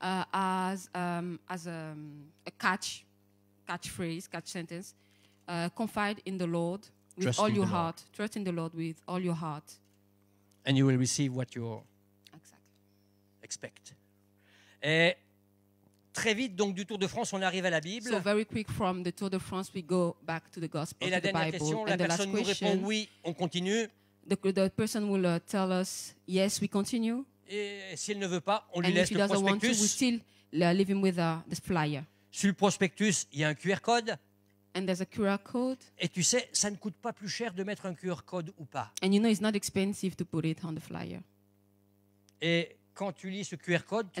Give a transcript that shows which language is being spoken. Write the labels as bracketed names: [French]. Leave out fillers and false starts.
[English] as a catchphrase, confide in the Lord with trust all your heart. Lord. Trust in the Lord with all your heart. And you will receive what you expect. [French] Et très vite, donc, du Tour de France, on arrive à la Bible. [English] So very quick from the Tour de France, we go back to the gospel. [French] Et la dernière [English] Bible. Question, and [French] la personne [English] question, [French] nous répond oui, on continue. [English] The person will tell us yes, we continue. [French] Et si elle ne veut pas, on [English] and [French] lui laisse le prospectus. [English] And if she doesn't want to, we still leave him with the flyer. [French] Sur le prospectus, il y a un QR code. [English] And there's a QR code. [French] Et tu sais, ça ne coûte pas plus cher de mettre un QR code ou pas. [English] And you know, it's not expensive to put it on the flyer. [French] Et quand tu lis ce QR code, tu